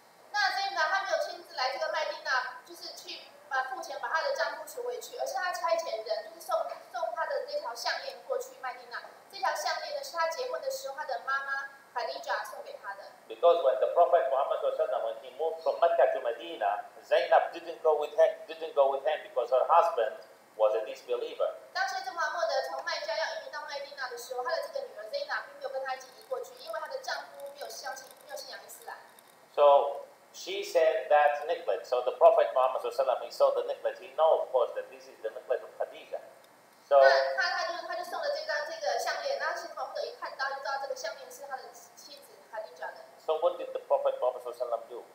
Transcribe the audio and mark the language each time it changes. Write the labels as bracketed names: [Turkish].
[Chinese] 那这个她没有亲自来这个麦地那，就是去把付钱把她的丈夫娶回去，而是她差遣人就是送她的这条项链过去麦地那。这条项链呢是她结婚的时候她的妈妈 Khadija 送给她的。 [English] Because when the Prophet Muhammad SAW, when he moved from Mecca to Medina, Zainab didn't go with him because her husband was a disbeliever. [Chinese] 当先知穆罕默德从麦加要移民到麦地那的时候，她的这个女儿 Zainab 并没有跟她一起移过去，因为她的丈夫没有信仰伊斯兰。 [English] So. She said that necklace. So the Prophet Muhammad SAW, he saw the necklace. He knows, of course, that this is the necklace of Khadija. So, [Chinese] 他就送了这个项链。然后先知穆罕默德一看到，就知道这个项链是他的妻子Khadija的。 [English] So what did the Prophet Muhammad SAW do?